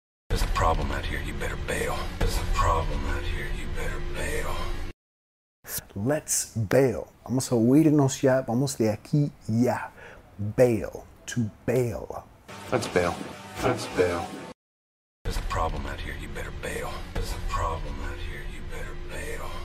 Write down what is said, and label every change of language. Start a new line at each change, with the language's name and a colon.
English: There's a problem out here, you better bail. There's a problem out here, you better bail. Let's bail.
Spanish: Vamos a huirnos ya, vamos de aquí ya.
English: Bail. To bail. Let's bail. Let's bail. There's a problem out here, you better bail. There's a problem out here, you better bail.